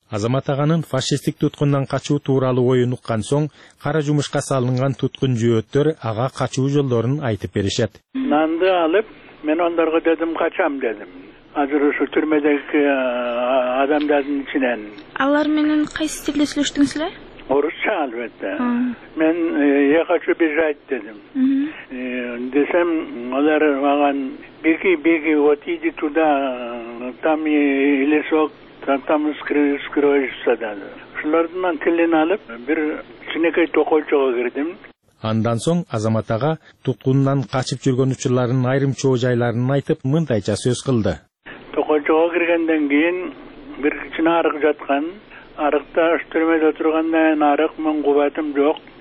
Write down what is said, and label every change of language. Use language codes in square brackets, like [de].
[ky] Азамат аганын фашисттик туткундан качуу тууралуу оюн уккан соң, кара жумушка салынган туткун жөөттөр ага качуу жолдорун айтып беришет. Нанды алып, мен ондорго дедим качам дедим. Азыр ушу түрмөдөгү адамдардын ичинен. Алар менен кайсы тилде сүйлөштүңүз эле? Орусча албетте. Мен [ru] я хочу бежать [ky] дедим. Десем алар маган [ru] беги, беги, вот иди туда, там и лесок, там скроешься [ky] дали. Ошолордон мен тилин алып бир кичинекей токойчого кирдим. Андан соң Азамат ага туткундан качып жүргөн учурларынын айрым чоо жайларын айтып мындайча сөз кылды. Токойчого киргенден кийин бир кичине арык жаткан. Арыкта түрмөдө отургандан кийин арык мен кубатым жок.